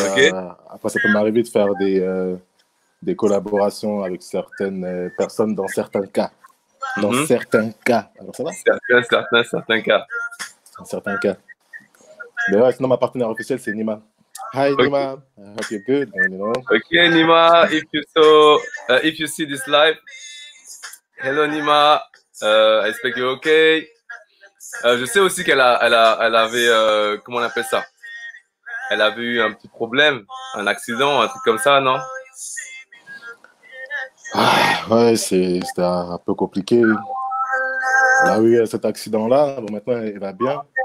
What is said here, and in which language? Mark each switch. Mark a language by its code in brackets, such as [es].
[fr] Ok. après, ça peut m'arriver de faire des collaborations avec certaines personnes dans certains cas. Dans certains cas, alors ça va? Certains cas. Dans certains cas. Mais ouais, sinon, ma partenaire officielle, c'est Nima. [en] Hi, Ok. Nima. I hope you're good. Ok, Nima, if you see this live, hello Nima, I expect you're ok. [fr] Je sais aussi elle avait, comment on appelle ça? Elle avait eu un petit problème, un accident, un truc comme ça, non? Ouais, c'était un peu compliqué. Elle a eu cet accident-là. Bon, maintenant, elle va bien.